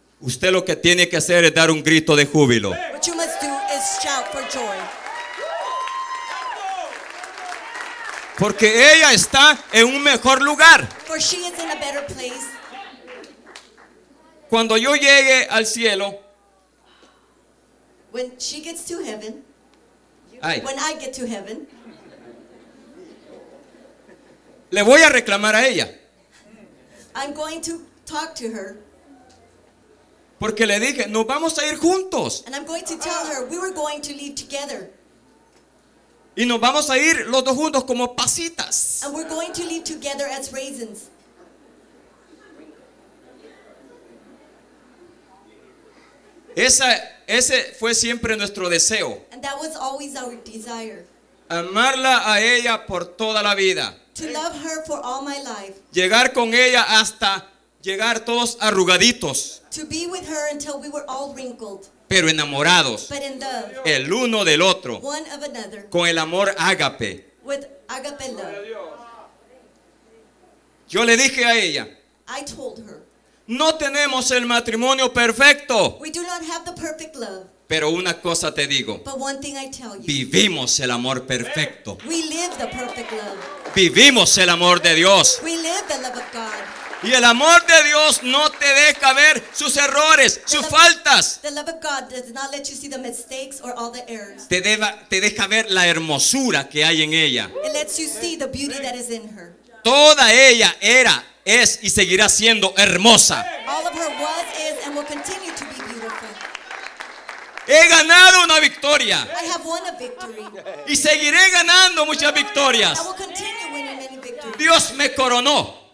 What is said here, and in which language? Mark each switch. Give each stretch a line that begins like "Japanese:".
Spanish: Usted lo que tiene que hacer es dar un grito de júbilo.
English: What you must do is shout for joy.
Spanish: Porque ella está en un mejor lugar.
English: For she is in a better place.
Spanish: Cuando yo llegue al cielo.
English: When she gets to heaven, ay. When I get to heaven,
Spanish: le voy a reclamar a ella.
English: I'm going to talk to her.
Spanish: Porque le dije, nos vamos a ir juntos.
English: And I'm going to tell her we were going to leave together.
Spanish: Y nos vamos a ir los dos juntos como pasitas.
English: And we're going to leave together as raisins.
Spanish: Ese fue siempre nuestro deseo.
English: And that was always our desire.
Spanish: Amarla a ella por toda la vida.
English: To love her for all my life.
Spanish: Llegar con ella hasta llegar todos arrugaditos.
English: To be with her until we were all wrinkled.
Spanish: Pero enamorados.
English: But in love.
Spanish: El uno del otro.
English: One of another.
Spanish: Con el amor ágape.
English: With agape love.
Spanish: Yo le dije a ella.
English: I told her.
Spanish: No tenemos el matrimonio perfecto.
English: We do not have the perfect love.
Spanish: Pero una cosa te digo.
English: But one thing I tell you.
Spanish: Vivimos el amor perfecto.
English: We live the perfect love.
Spanish: Vivimos el amor de Dios.
English: We live the love of God.
Spanish: Y el amor de Dios no te deja ver sus errores, sus faltas.
English: The love of God does not let you see the mistakes or all the errors.
Spanish: Te deja ver la hermosura que hay en ella.
English: It lets you see the beauty that is in her.
Spanish: Toda ella era, es y seguirá siendo hermosa.
English: All of her was, is and will continue to be beautiful.
Spanish: He ganado una victoria.
English: I have won a victory.
Spanish: Y seguiré ganando muchas victorias.
English: I will continue winning many victories.
Spanish: Dios me coronó.